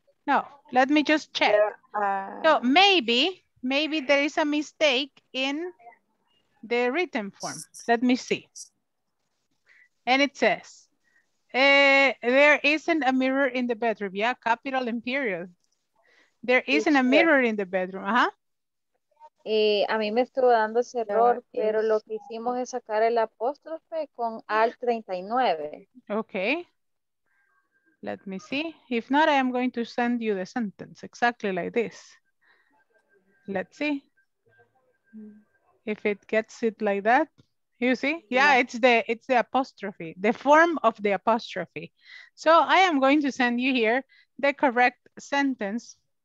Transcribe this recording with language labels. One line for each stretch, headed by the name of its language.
English: No, let me just check. So maybe there is a mistake in the written form. Let me see. And it says, there isn't a mirror in the bedroom. Yeah, capital and period. There isn't a mirror in the bedroom. Uh-huh.
Spanish: A mí me estuvo dando ese error, pero lo que hicimos es sacar el apóstrofe con al 39.
English: Okay. Let me see. If not, I am going to send you the sentence exactly like this. Let's see. If it gets it like that, you see? Yeah, it's the apostrophe, the form of the apostrophe. So I am going to send you here the correct sentence